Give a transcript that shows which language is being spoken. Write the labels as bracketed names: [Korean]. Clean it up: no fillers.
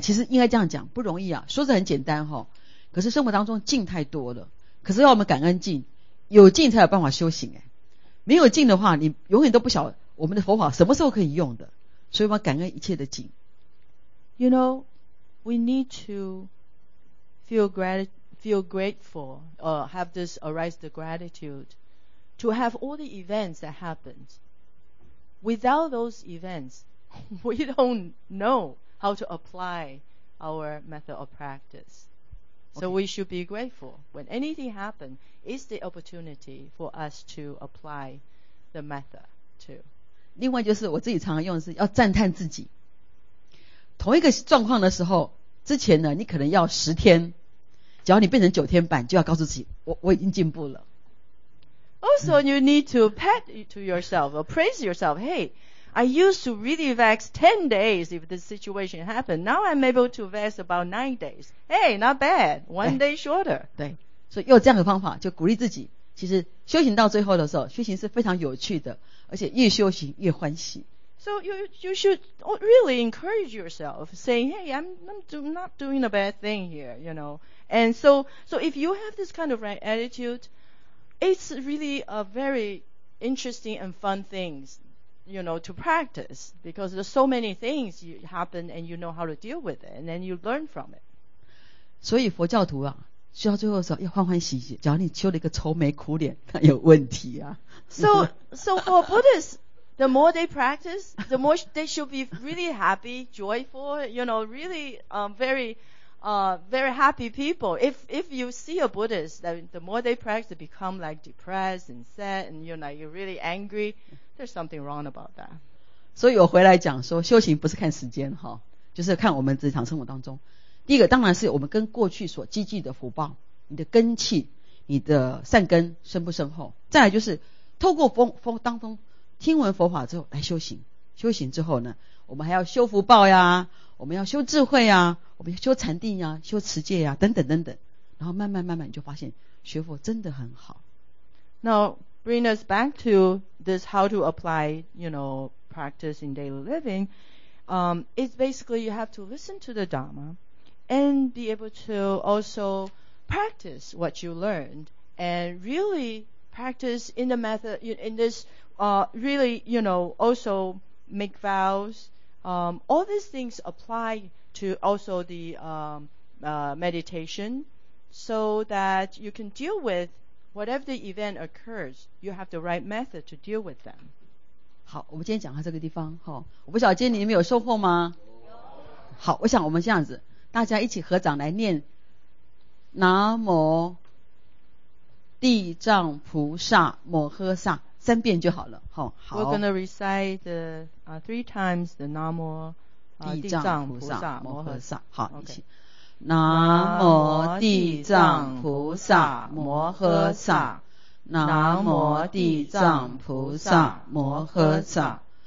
[Chinese] 其实应该这样讲，不容易啊。说是很简单哈，可是生活当中静太多了。可是要我们感恩静，有静才有办法修行哎。没有静的话，你永远都不晓得我们的佛法什么时候可以用的。所以我们感恩一切的境。 [English] You know, we need to feel grateful or have this arise the gratitude to have all the events that happened. Without those events, we don't know how to apply our method of practice. So okay. We should be grateful. When anything happens, it's the opportunity for us to apply the method too. [Chinese] 另外就是我自己常常用的是要赞叹自己。同一个状况的时候，之前呢，你可能要十天，只要你变成九天半，就要告诉自己，我已经进步了。 [English] Also, you need to pat to yourself or praise yourself. Hey, I used to really vex 10 days if this situation happened. Now I'm able to vex about 9 days. Hey, not bad. One day shorter. [Chinese] 对，所以用这样的方法就鼓励自己。其实修行到最后的时候，修行是非常有趣的，而且越修行越欢喜。 [English] So you should really encourage yourself, saying, hey, I'm not doing a bad thing here, you know. And so if you have this kind of right attitude, it's really a very interesting and fun thing, you know, to practice, because there's so many things you happen and you know how to deal with it, and then you learn from it. [Chinese] 所以佛教徒啊，修到最后的时候要欢欢喜喜，假如你修了一个愁眉苦脸，那有问题啊。 [English] So for Buddhists, the more they practice, the more they should be really happy, joyful, you know, really very happy people. If you see a Buddhist, then the more they practice, they become like depressed and sad, and you know, you're really angry. There's something wrong about that. [Chinese] 所以我回来讲说，修行不是看时间哈，就是看我们日常生活当中。第一个当然是我们跟过去所积聚的福报，你的根气，你的善根深不深厚。再来就是透过风当中听闻佛法之后来修行，修行之后呢，我们还要修福报呀，我们要修智慧呀，我们要修禅定呀，修持戒呀，等等等等，然后慢慢慢慢就发现学佛真的很好。 [English] Now bring us back to this how to apply, you know, practice in daily living. It's basically you have to listen to the Dharma and be able to also practice what you learned and really practice in the method in this really, you know, also make vows. All these things apply to also the meditation, so that you can deal with whatever the event occurs. You have the right method to deal with them. [Chinese] 好，我们今天讲到这个地方哈、哦。我不晓得今天你们有收获吗？好，我想我们这样子，大家一起合掌来念：南无地藏菩萨摩诃萨。三遍就好了，好。好 [English] We're gonna recite the three times the Namo [Chinese] 地藏菩萨摩诃萨。好， okay. 一起。南无地藏菩萨摩诃萨，南无地藏菩萨摩诃萨，